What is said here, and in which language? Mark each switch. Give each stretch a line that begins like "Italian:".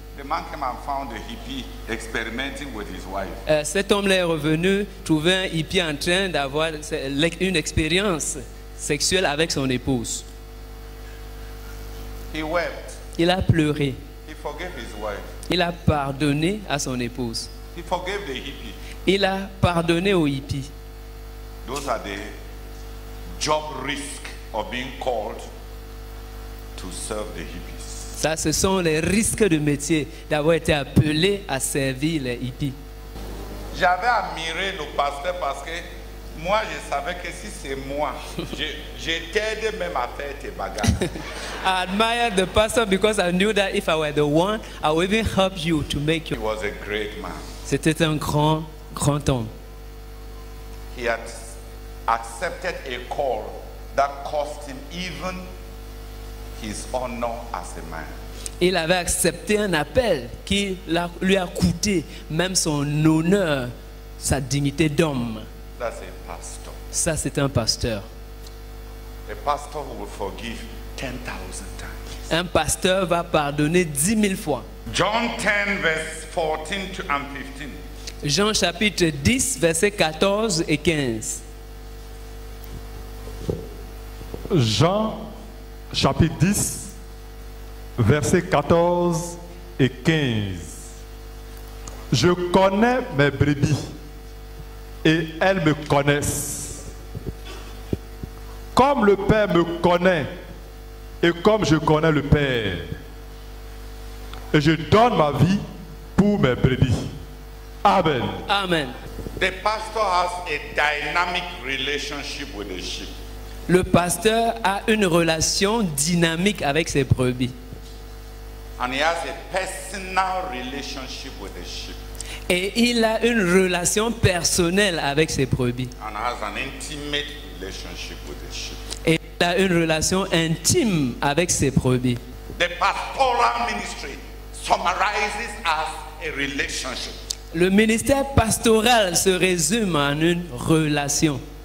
English: the man came and found a hippie experimenting with his wife.
French: Cet homme est revenu trouver un hippie en train d'avoir une expérience sexuelle avec son épouse.
English: He wept.
French: Il a pleuré.
English: He forgave his wife.
French: Il a pardonné à son épouse.
English: He forgave the hippie.
French: Il a pardonné au hippie.
English: Those are the job risks of being called. To serve the hippies.
French: Ça, ce sont les risques de métier d'avoir été appelé à servir les hippies. J'avais admiré le pasteur parce que moi, je savais que si c'est moi, je t'aide même à faire tes bagages.
English: I admired the pastor because I knew that if I were the one, I would even help you to make your. He was a great man.
French: C'était un grand, grand homme.
English: He had accepted a call that cost him even. His honor as a man.
French: Il avait accepté un appel qui lui a coûté même son honneur, sa dignité d'homme.
English: That's a pastor.
French: Ça, c'est un pasteur.
English: A pastor will forgive 10,000 times.
French: Un pasteur va pardonner 10 000 fois.
English: John 10, verse 14 to and 15.
French: Jean chapitre 10, versets 14 et 15. Jean chapitre 10, versets 14 et 15. Je connais mes brebis et elles me connaissent. Comme le Père me connaît et comme je connais le Père. Et je donne ma vie pour mes brebis. Amen. Amen.
English: The pastor has a dynamic relationship with the sheep.
French: Le pasteur a une relation dynamique avec ses brebis.
English: And he has a personal relationship with the sheep.
French: Et il a une relation personnelle avec ses brebis.
English: And has an intimate relationship with the sheep.
French: Et il a une relation intime avec ses brebis.
English: The pastoral ministry summarizes as a relationship.
French: Le ministère pastoral se résume en une relation.